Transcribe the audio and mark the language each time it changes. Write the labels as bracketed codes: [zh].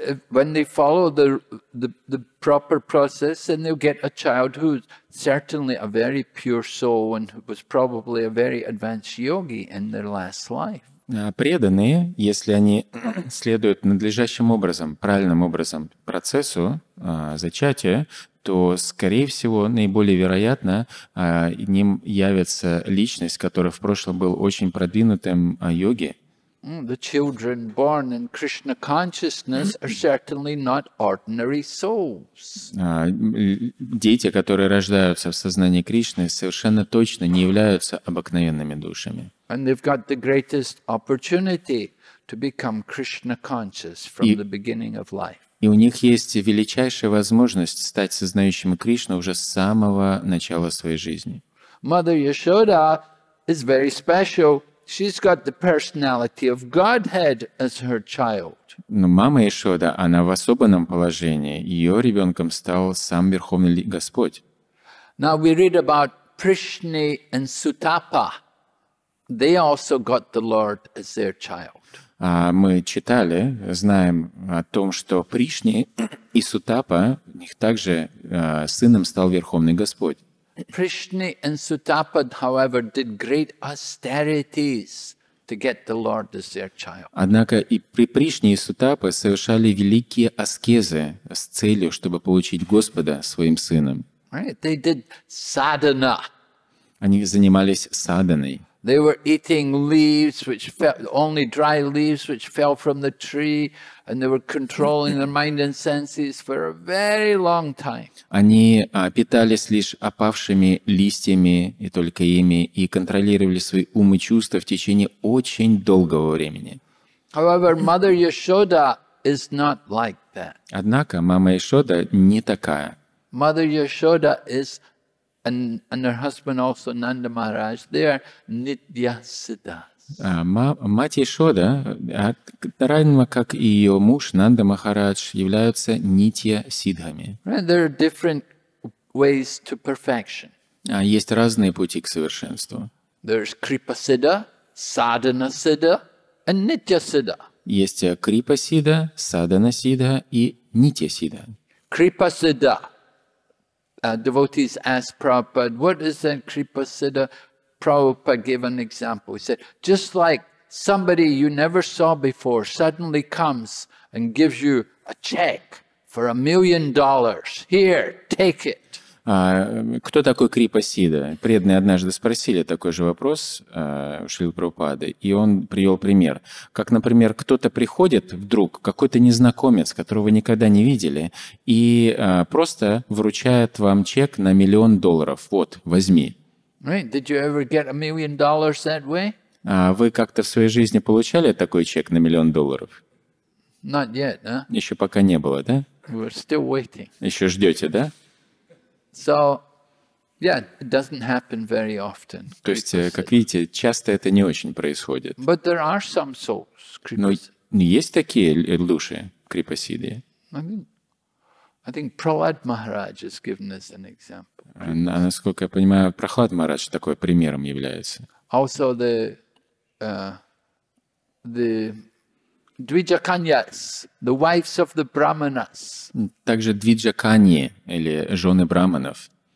[en] When they follow the proper process, then they'll get a child who's certainly a very pure soul and who was probably a very advanced yogi in their last life. [ru] Преданные, если они следуют надлежащим образом, правильным образом процессу зачатия, то, скорее всего, наиболее вероятно, ним явится личность, которая в прошлом был очень продвинутым йоги. [en] The children born in Krishna consciousness are certainly not ordinary souls. [ru] Дети, которые рождаются в сознании Кришны, совершенно точно не являются обыкновенными душами. [en] And they've got the greatest opportunity to become Krishna conscious from the beginning of life. [ru] И у них есть величайшая возможность стать сознающим Кришну уже с самого начала своей жизни. [en] Mother Yashoda is very special. She's got the personality of Godhead as her child. [ru] Но мама Яшода, она в особенном положении. Ее ребенком стал сам Верховный Господь. [en] Now we read about Prishni and Sutapa. They also got the Lord as their child. [ru] Мы читали, знаем о том, что Пришни и Сутапа, у них также сыном стал Верховный Господь. [en] Krishna and Sutapad, however, did great austerities to get the Lord as their child. [ru] Однако и при Кришне и Сутапе совершали великие аскезы с целью, чтобы получить Господа своим сыном. [en] Right? They did sadhana. [ru] Они занимались садханой. [en] They were eating leaves which fell, only dry leaves which fell from the tree, and they were controlling their mind and senses for a very long time. [ru] Они питались лишь опавшими листьями и только ими и контролировали свои умы и чувства в течение очень долгого времени. [en] However, Mother Yashoda is not like that. [ru] Однако мама Яшода не такая. [en] Mother Yashoda is And her husband also Nanda Maharaj. They are nitya siddhas. [ru] Мать Яшода, равно как и ее муж Нанда Махарадж, являются нитья сиддхами. [en] Right, there are different ways to perfection. [ru] Есть разные пути к совершенству. [en] There's kripa siddha, sadhana siddha, and nitya siddha. [ru] Есть kripa siddha, sadhana siddha и nitya siddha. [en] Kripa siddha. Devotees asked Prabhupada, what is that kripa siddha? Prabhupada gave an example. He said, just like somebody you never saw before suddenly comes and gives you a check for $1,000,000. Here, take it. [ru] Кто такой Крипа Сидда? Преданные однажды спросили такой же вопрос у Шрилы Прабхупады, и он привел пример. Как, например, кто-то приходит вдруг, какой-то незнакомец, которого вы никогда не видели, и просто вручает вам чек на $1,000,000. Вот, возьми. [en] Right. Did you ever get $1,000,000 that way? [ru] Вы как-то в своей жизни получали такой чек на $1,000,000? [en] Not yet, huh? [ru] Еще пока не было, да? [en] We're still waiting. [ru] Еще ждете, да? [en] So, yeah, it doesn't happen very often. [ru] То есть, как видите, часто это не очень происходит. [en] But there are some souls. [ru] Но есть такие души крипасиды. [en] I think Prahlad Maharaj has given us an example. [ru] Насколько я понимаю, Прахлад Махарадж такой примером является. [en] Also the Двиджаканьяс, the wives of the brahmanas. [ru] Также двиджаканьи или жены брахманов.